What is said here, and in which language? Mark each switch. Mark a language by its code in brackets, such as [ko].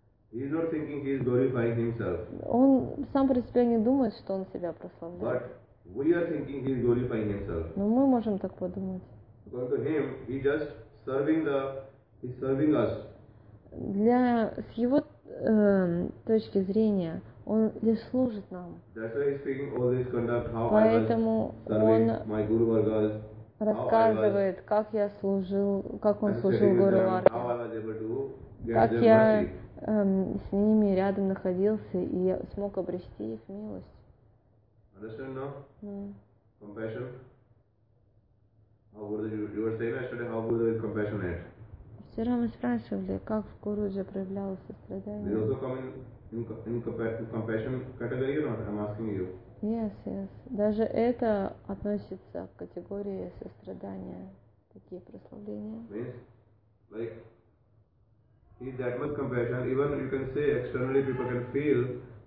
[en] He is not thinking he is glorifying himself. [ru] Он сам про себя не думает, что он себя прославляет. [en] We are thinking he is glorifying himself. [ru] Но мы можем так подумать. [en] According to him, he just serving the, he's serving us. [ru] Для с его точки зрения, он лишь служит нам. [en] That's why he's speaking all this conduct. How [ru] поэтому [en] I was serving my Guru Vargas. [ru] Рассказывает, как я служил, как он служил Гуру Варге. Как я с ними рядом находился и смог обрести их милость. [en] Understand now? Compassion? How Gurudev, you were saying yesterday how Gurudev is compassionate. [ru] Вчера мы спрашивали, как Гуруджа проявлял сострадание. [en] Did you also come in compassion category or not? I'm asking you. Yes, yes. [ru] Даже это относится к категории сострадания. Такие прославления. [en] Means? Like, he's that much compassion. Even you can say externally people can feel